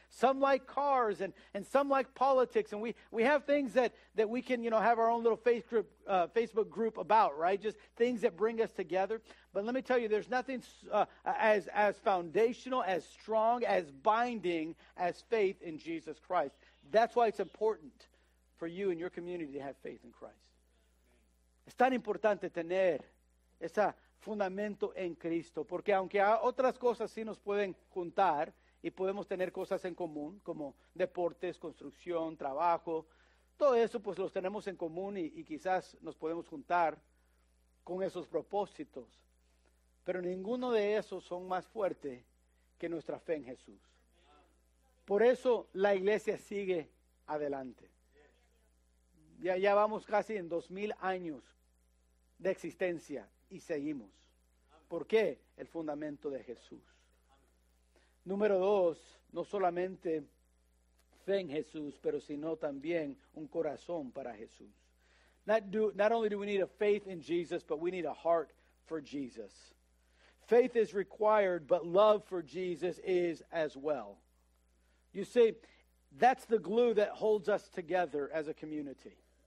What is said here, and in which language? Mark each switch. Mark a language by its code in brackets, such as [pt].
[en] Some like cars, and some like politics, and we have things that we can, you know, have our own little Facebook group about, right? Just things that bring us together. But let me tell you, there's nothing as foundational, as strong, as binding as faith in Jesus Christ. That's why it's important for you and your community to have faith in Christ. [es] Es tan importante tener ese fundamento en Cristo, porque aunque otras cosas sí nos pueden juntar y podemos tener cosas en común, como deportes, construcción, trabajo, todo eso pues los tenemos en común y quizás nos podemos juntar con esos propósitos, pero ninguno de esos son más fuerte que nuestra fe en Jesús. Por eso la iglesia sigue adelante. Ya vamos casi en 2,000 años de existencia. Y seguimos. ¿Por qué? El fundamento de Jesús. Número dos, no solamente fe en Jesús, pero sino también un corazón para Jesús. [en] Not only do we need a faith in Jesus, but we need a heart for Jesus. Faith is required, but love for Jesus is as well. You see, that's the glue that holds us together as a community.